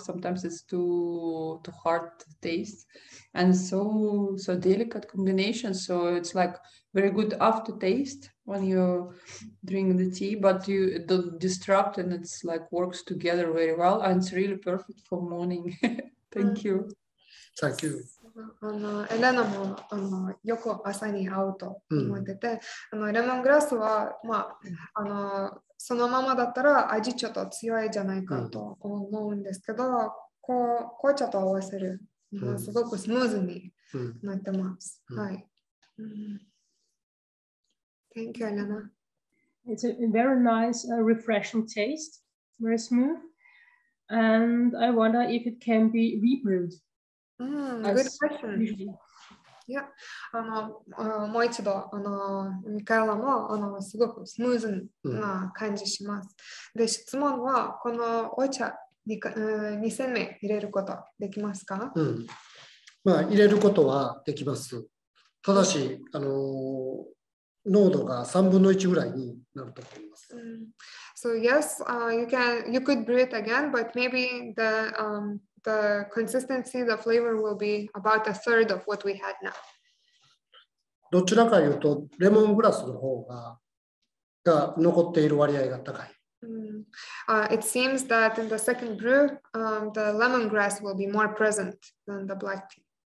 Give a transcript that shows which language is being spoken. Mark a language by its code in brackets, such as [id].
[en] Sometimes it's too hard to taste. And so delicate combination. So it's like very good aftertaste when you drink the tea, but you don't disrupt and it's like works together very well. And it's really perfect for morning. Thank you. Thank you. [ja] エレナもよく朝に会うと思ってて、レモングラスは、まあ、そのままだったら味ちょっと強いじゃないかと思うんですけど、紅茶と合わせる。すごくスムーズになってます。はい。 [en] Thank you, Elena. It's a very nice, refreshing taste. Very smooth. And I wonder if it can be rebrewed. Good question. Yeah. [ja] もう一度、ミカエラも、すごくスムーズな感じします。で、質問は、このお茶 2000目入れることできますか？うん、まあ入れることはできます。ただし濃度が3分の1ぐらいになると思います。 Mm. [en] So yes, you could brew it again, but maybe the consistency, the flavor will be about a third of what we had now. [ja] どちらかというとレモングラスの方 が残っている割合が高い。 Mm. [en] It seems that in the second brew, the lemongrass will be more present than the black tea.